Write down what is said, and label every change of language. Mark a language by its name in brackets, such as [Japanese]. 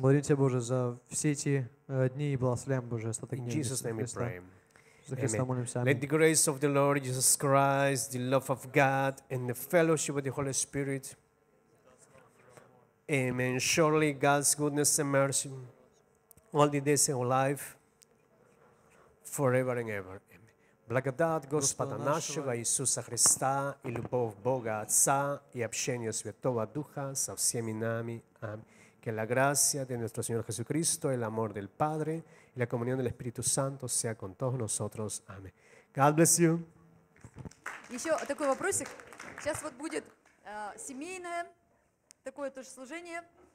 [Russian] Благодарим Тебя, Боже, за все эти дни и благословляем, Боже, остаток дней. [English] In Jesus' name [Russian] Христа. [English] We pray. Let the grace of the Lord Jesus Christ, the love of God, and the fellowship of the Holy Spirit. Amen. Surely God's goodness and mercy all the days of our life, forever and ever. Amen. [Russian] Благодать Господа нашего Иисуса Христа и любовь Бога Отца и общение Святого Духа со всеми нами. [English] Amen. [Spanish] Que la gracia de nuestro Señor Jesucristo, el amor del Padre y la comunión del Espíritu Santo sea con todos nosotros. [English] Amén. God bless you. [Russian] Еще такой вопросик. Сейчас вот будет семейное такое тоже служение.